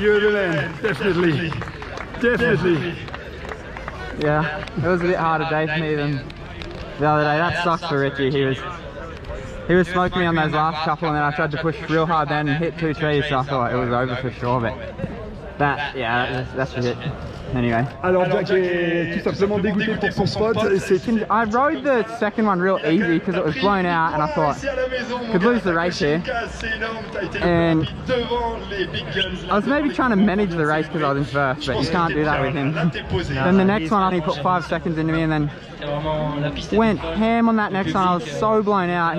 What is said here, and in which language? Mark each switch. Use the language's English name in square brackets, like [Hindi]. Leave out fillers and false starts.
[English] you're the man. Definitely. Definitely. Yeah, it was a bit harder day for me than the other day. That sucks for Richie. He was smoking me on those last couple, and then I tried to push real hard then and hit two trees, so I thought it was over for sure, but that's it. Anyway. [French] Alors Jack est tout simplement dégoûté pour son spot. [English] I rode the second one real easy because it was blown out and I thought could lose the race here. And I was maybe trying to manage the race because I was in first, but you can't do that with him. Then the next one, he put 5 seconds into me and then went ham on that next one. I was so blown out.